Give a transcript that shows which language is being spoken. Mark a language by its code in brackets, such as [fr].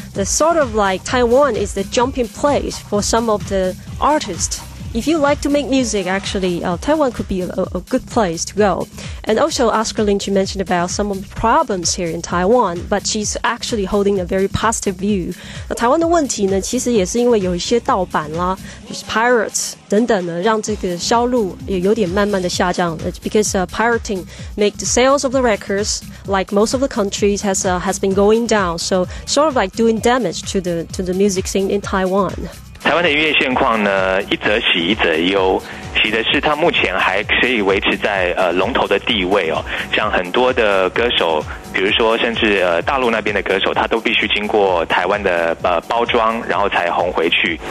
[en] The sort of like Taiwan is the jumping place for some of the artists. If you like to make music, actually, Taiwan could be a good place to go. And also, Oscar Lin, she mentioned about some of the problems here in Taiwan, but she's actually holding a very positive view. [zh] 那台湾的问题呢，其实也是因为有一些盗版啦，就是 pirates 等等呢，让这个销路也有点慢慢的下降。 [en] Because pirating make the sales of the records, like most of the countries, has been going down. So sort of like doing damage to the music scene in Taiwan. [zh] 台湾的音乐现况呢，一则喜一则忧。喜的是它目前还可以维持在龙头的地位哦，像很多的歌手，比如说甚至大陆那边的歌手，他都必须经过台湾的包装，然后才红回去。